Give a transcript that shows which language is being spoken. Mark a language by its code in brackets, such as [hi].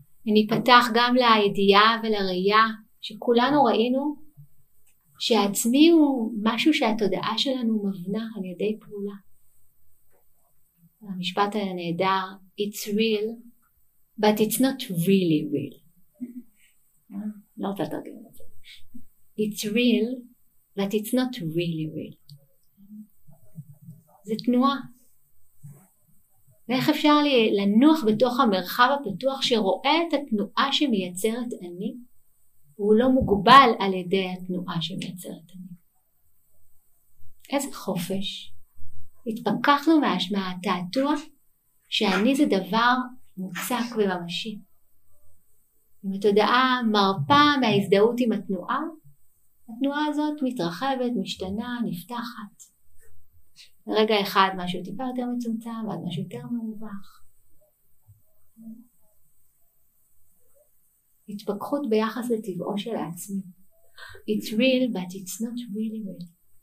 [he] אני פתח גם לידיעה ולראייה שכולנו ראינו שהעצמי הוא משהו שהתודעה שלנו מבנה על ידי פעולה. המשפט הנהדר, [en] it's real, but it's not really real. [he] לא רוצה לתרגם את זה. [en] It's real, but it's not really real. [he] זה תנועה. ואיך אפשר לי לנוח בתוך המרחב הפתוח שרואה את התנועה שמייצרת אני, והוא לא מוגבל על ידי התנועה שמייצרת אני. איזה חופש. התפקחנו מהתעתוע שאני זה דבר מוצק וממשי. אם התודעה מרפה מההזדהות עם התנועה, התנועה הזאת מתרחבת, משתנה, נפתחת. רגע אחד משהו טיפה יותר מצומצם ועד משהו יותר מרווח. התפקחות ביחס לטבעו של עצמי. [en] It's real, but it's not really real.